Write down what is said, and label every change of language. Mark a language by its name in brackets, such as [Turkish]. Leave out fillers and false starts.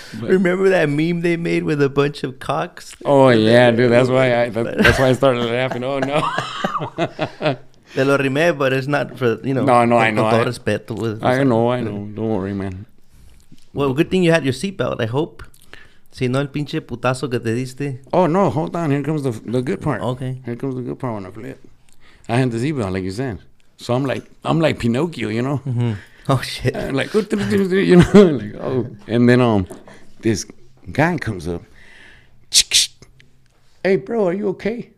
[English] But, remember that meme they made with a bunch of cocks? Oh, yeah, dude. That's why I started laughing. Oh, no. Te lo rimé, but it's not for, you know. No, no, I know. [Spanish] Con todo respeto. [English] I know. Don't worry, man. Well, good thing you had your seatbelt, I hope. [Spanish] Si no, el pinche putazo que te diste. [English] Oh, no, hold on. Here comes the good part. Okay. Here comes the good part when I flip. I had the seatbelt, like you said. So I'm like Pinocchio, you know? Mm-hmm. Oh, shit. I'm like, you know? Like, oh. And then this guy comes up. Hey, bro, are you okay?